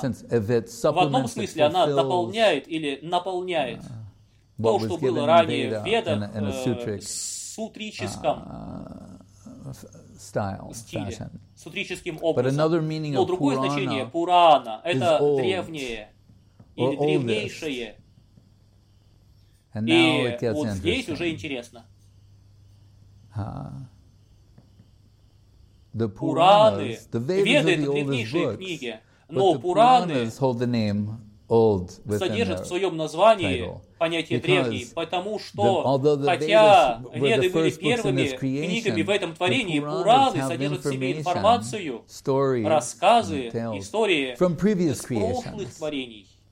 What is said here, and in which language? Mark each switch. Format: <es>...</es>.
<ru>в одном смысле, она дополняет или наполняет то, что было ранее в Ведах в сутрическом стиле, сутрическим образом. Но другое значение Пурана – это древнее или древнейшее. И вот здесь уже интересно.</ru> <en>the Puranas, the Vedas are the oldest books.</en> <ru>Но Пураны содержат в своем названии понятие древний, потому что, хотя Веды были первыми книгами в этом творении, Пураны содержат в себе информацию, рассказы, истории из прошлых творений.</ru>